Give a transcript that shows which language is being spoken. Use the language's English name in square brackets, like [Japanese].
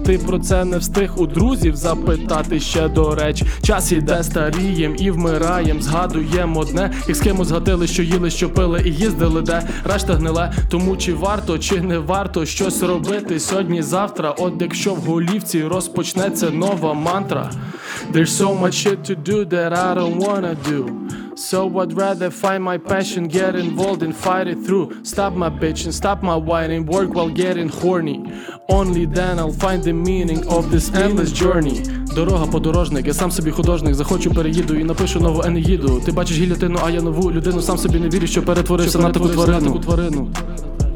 [Ukrainian] Ти про це не встиг у друзів запитати, ще до речі. Час іде, старієм і вмираєм. Згадуєм одне, як з кимось згадили, що їли, що пили і їздили де. Решта гниле, тому чи варто, чи не варто щось робити сьогодні, завтра. От якщо в голівці розпочнеться нова мантра. [English] There's so much shit to do that I don't wanna do. So I'd rather find my passion, get involved and fight it through. Stop my bitching, stop my whining, work while getting horny. Only then I'll find the meaning of this endless journey. [Ukrainian] Дорога, подорожник, я сам собі художник. Захочу, переїду і напишу нову енеїду. Ти бачиш гільотину, а я нову людину. Сам собі не вірю, що перетворився на таку тварину.